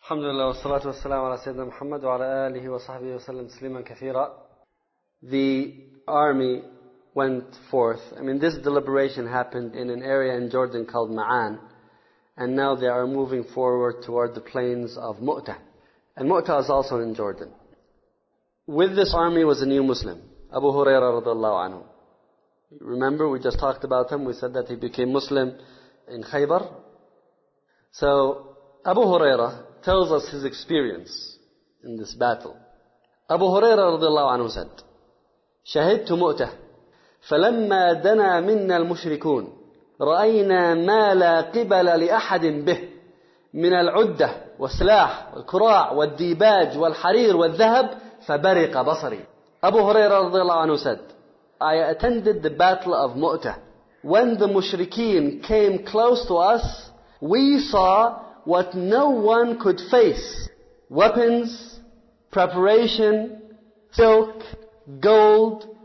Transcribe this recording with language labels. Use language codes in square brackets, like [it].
[ar] الحمد لله والصلاة والسلام على سيدنا محمد وعلى آله وصحبه وسلم تسليما كثيرا. [en] The army went forth. I mean, this deliberation happened in an area in Jordan called Ma'an. And now they are moving forward toward the plains of Mu'tah. And Mu'tah is also in Jordan. With this army was a new Muslim, Abu Huraira radiallahu anhu. Remember, we just talked about him. We said that he became Muslim in Khaybar. So, Abu Huraira tells us his experience in this battle. Abu Huraira radiallahu anhu said, [ar] شَهِدْتُ مُؤْتَهُ فَلَمَّا دَنَا مِنَّا الْمُشْرِكُونَ رَأَيْنَا مَا لَا قِبَلَ لِأَحَدٍ بِهِ مِنَ الْعُدَّةِ وَالسَّلَاحِ وَالْكُرَاعِ وَالْدِّيبَاجِ وَالْحَرِيرِ وَالذَّهَبِ فَبَرِقَ بَصَرِي. [en] Abu Huraira radiallahu anhu said, I attended the battle of Mu'tah. When the mushrikeen came close to us, we saw what no one could face. Weapons, preparation, silk, gold.